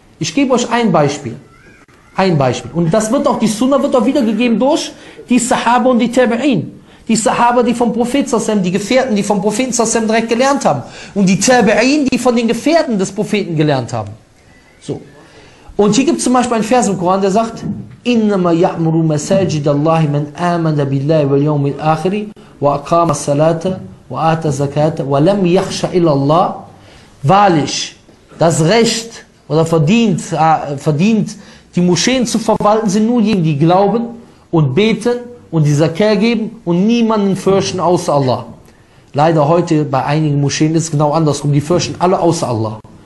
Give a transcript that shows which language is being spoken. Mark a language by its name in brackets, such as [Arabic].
[German] Ich gebe euch ein Beispiel. Ein Beispiel. Und das wird auch, die Sunna wird auch wiedergegeben durch die Sahaba und die Tabi'in. Die Sahaba, die vom Prophet Sassam, die Gefährten, die vom Propheten Sassam direkt gelernt haben. Und die Tabi'in, die von den Gefährten des Propheten gelernt haben. So. Und hier gibt es zum Beispiel einen Vers im Koran, der sagt: [Arabic] إنما يعمر مساجد الله من آمن بالله واليوم الآخر وأقام الصلاة وآتى الزكاة ولم يخشى إلا الله. [German] Wahrlich, das Recht oder verdient, die Moscheen zu verwalten, sind nur jene, die glauben und beten und die Zakat geben und niemanden fürchten außer Allah. Leider heute bei einigen Moscheen ist es genau andersrum, die fürchten alle außer Allah.